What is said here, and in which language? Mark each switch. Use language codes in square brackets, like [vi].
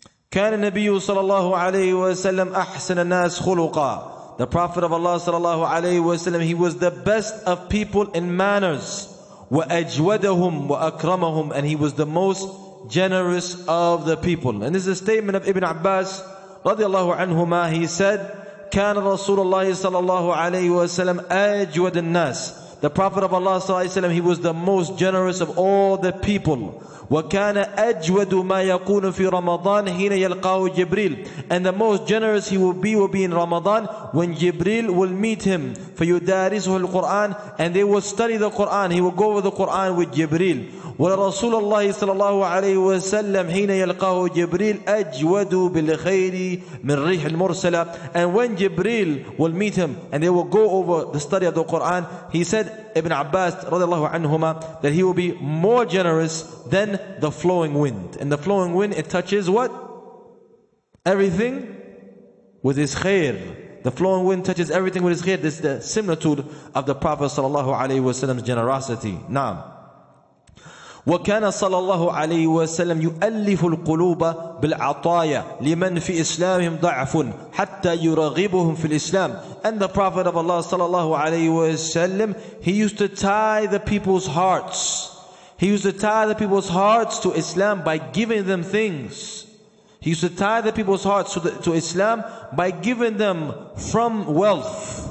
[ar] كان النبي صلى الله عليه وسلم أحسن الناس خلقا. [en] The Prophet of Allah صلى الله عليه وسلم, he was the best of people in manners. [ar] وأجودهم وأكرمهم, [en] and he was the most generous of the people. And this is a statement of Ibn Abbas رضي الله عنهما. He said, [ar] كان رسول الله صلى الله عليه وسلم أجود الناس. [en] The Prophet of Allah sallallahu alayhi wa sallam, he was the most generous of all the people. [ar] وَكَانَ أَجْوَدُ مَا يَقُونُ فِي رَمَضَانِ هِنَ يَلْقَاهُ جِبْرِيلِ. [en] And the most generous he will be in Ramadan, when Jibreel will meet him. [ar] فَيُدَارِسُهُ الْقُرْآنِ, [en] and they will study the Qur'an. He will go over the Qur'an with Jibreel. [ar] وَلَرَسُولَ اللَّهِ صَلَى اللَّهُ عَلَيْهُ وَسَلَّمُ هِنَ يَلْقَاهُ جِبْرِيلِ أَجْوَدُ بِالْخَيْرِ مِنْ رِيحِ الْمُرْسَلَةِ. [en] And when Jibreel will meet him and they will go over the study of the Qur'an, he said, Ibn Abbas رضي الله عنهما, that he will be more generous than the flowing wind. And the flowing wind, it touches what? Everything with his khair. The flowing wind touches everything with his khair. This is the similitude of the Prophet صلى الله عليه وسلم's generosity. Naam. [ar] وكان صلى الله عليه وسلم يؤلف القلوب بالعطايا لمن في إسلامهم ضعف حتى يرغبهم في الإسلام. [en] And the Prophet of Allah صلى الله عليه وسلم, he used to tie the people's hearts. He used to tie the people's hearts to Islam by giving them things. He used to tie the people's hearts to Islam by giving them from wealth.